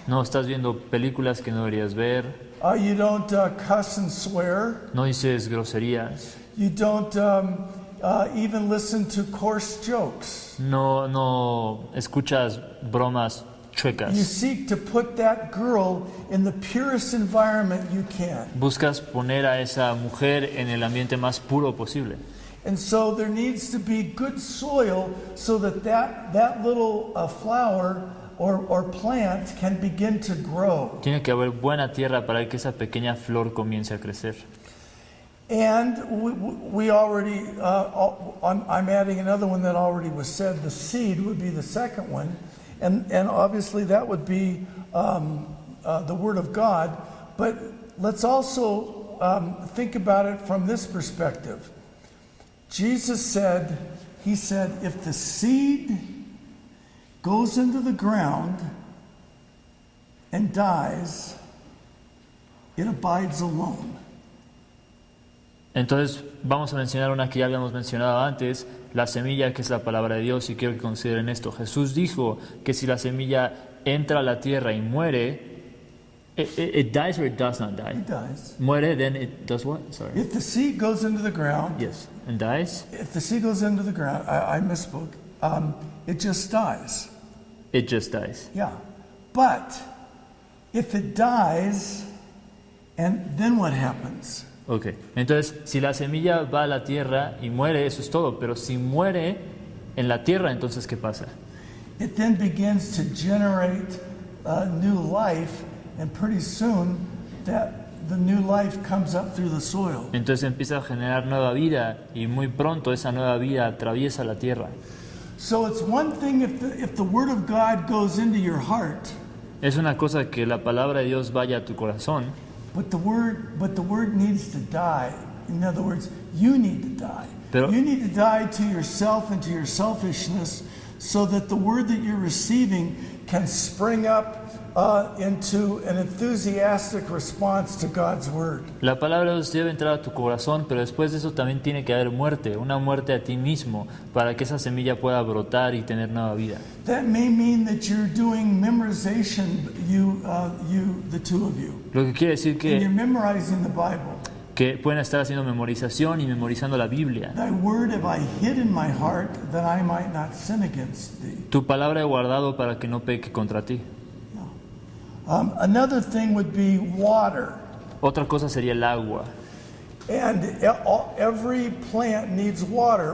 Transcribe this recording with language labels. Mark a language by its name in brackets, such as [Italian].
[Spanish] No estás viendo películas que no deberías ver. [English] You don't cuss and swear. [Spanish] No dices groserías. [English] You don't even listen to coarse jokes. [Spanish] No escuchas bromas chuecas. [English] You seek to put that girl in the purest environment you can. [Spanish] Buscas poner a esa mujer en el ambiente más puro posible. [English] And so there needs to be good soil so that little flower or plant can begin to grow. [Spanish] Tiene que haber buena tierra para que esa pequeña flor comience a crecer. [English] And we already, I'm adding another one that already was said, the seed would be the second one. And obviously that would be the Word of God. But let's also think about it from this perspective. Jesus said, he said, if the seed goes into the ground and dies, it abides alone. [Spanish] Entonces, vamos a mencionar una que ya habíamos mencionado antes, la semilla, que es la palabra de Dios, y quiero que consideren esto. Jesús dijo que si la semilla entra a la tierra y muere, [English] it dies or it does not die? It dies. [Spanish] Muere, [English] then it does what? Sorry. If the seed goes into the ground. Yes, and dies. If the seed goes into the ground, I misspoke, it just dies. It just dies. Yeah. But if it dies, and then what happens? Okay. [Spanish] Entonces, si la semilla va a la tierra y muere, eso es todo. Pero si muere en la tierra, entonces, ¿qué pasa? [English] It then begins to generate a new life. And pretty soon, the new life comes up through the soil. [Spanish] Entonces empieza a generar nueva vida, y muy pronto esa nueva vida atraviesa la tierra. [English] So it's one thing if the word of God goes into your heart. [Spanish] Es una cosa que la palabra de Dios vaya a tu corazón. [English] But the word needs to die. In other words, you need to die. [Spanish] Pero, [English] you need to die to yourself and to your selfishness, so that the word that you're receiving can spring up into an enthusiastic response to God's word. [Spanish] La palabra de Dios debe entrar a tu corazón, pero después de eso también tiene que haber muerte, una muerte a ti mismo, para que esa semilla pueda brotar y tener nueva vida. [English] That may mean that you're doing memorization, you the two of you. [Spanish] Lo que quiere decir que, [English] and you're memorizing the Bible. [Spanish] Que pueden estar haciendo memorización y memorizando la Biblia. [English] Thy word have I hid in my heart that I might not sin against thee. [Spanish] Tu palabra he guardado para que no peque contra ti. [English] Another thing would be water. [Spanish] Otra cosa sería el agua. [English] And every plant needs water.